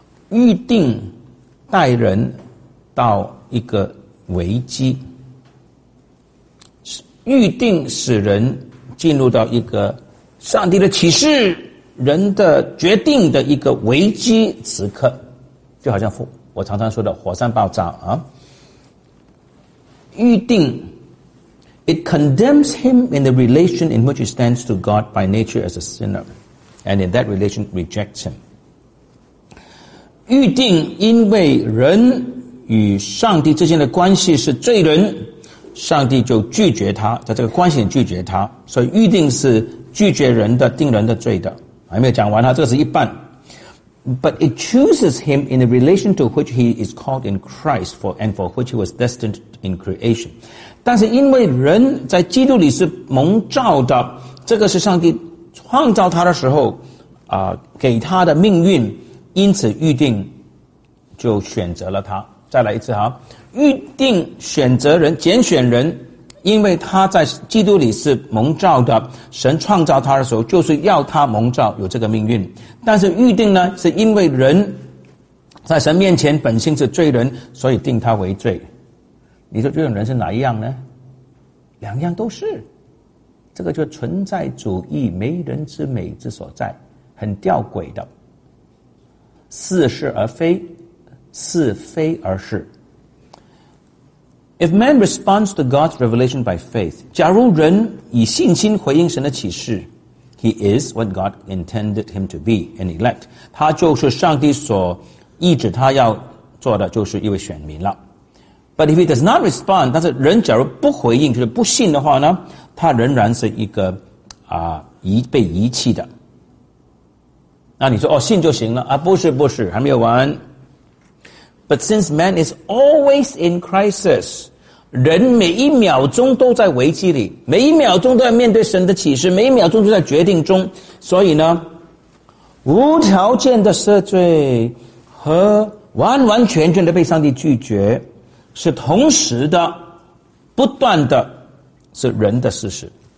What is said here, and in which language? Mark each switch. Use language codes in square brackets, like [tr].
[zh] 预定带人到一个危机，预定使人进入到一个上帝的启示人的决定的一个危机时刻，就好像我常常说的火山爆炸啊。 [en] 预定 It condemns him in the relation in which he stands to God by nature as a sinner and in that relation rejects him。 [zh] 预定因为人与上帝之间的关系是罪人，上帝就拒绝他，在这个关系里拒绝他，所以预定是拒绝人的定人的罪的。还没有讲完哈，这个是一半。 [en] But it chooses him in the relation to which he is called in Christ for and for which he was destined in creation。 [zh] 但是因为人在基督里是蒙召的，这个是上帝创造他的时候啊，给他的命运，因此预定就选择了他。再来一次哈，预定选择人拣选人，因为他在基督里是蒙召的，神创造他的时候就是要他蒙召有这个命运。但是预定呢是因为人在神面前本性是罪人，所以定他为罪。你说这种人是哪一样呢？两样都是，这个就是存在主义没人之美之所在，很吊诡的，似是而非，似非而是。 [en] If man responds to God's revelation by faith， [zh] 假如人以信心回应神的启示， [en] He is what God intended him to be and elect， [zh] 他就是上帝所意志他要做的，就是一位选民了。 [en] But if he does not respond， [zh] 但是人假如不回应就是不信的话呢，他仍然是一个啊被遗弃的。那你说哦，信就行了啊？不是不是，还没有完。 [en] But since man is always in crisis， [zh] 人每一秒钟都在危机里，每一秒钟都要面对神的启示，每一秒钟都在决定中，所以呢无条件的赦罪和完完全全的被上帝拒绝是同时的不断的，是人的事实。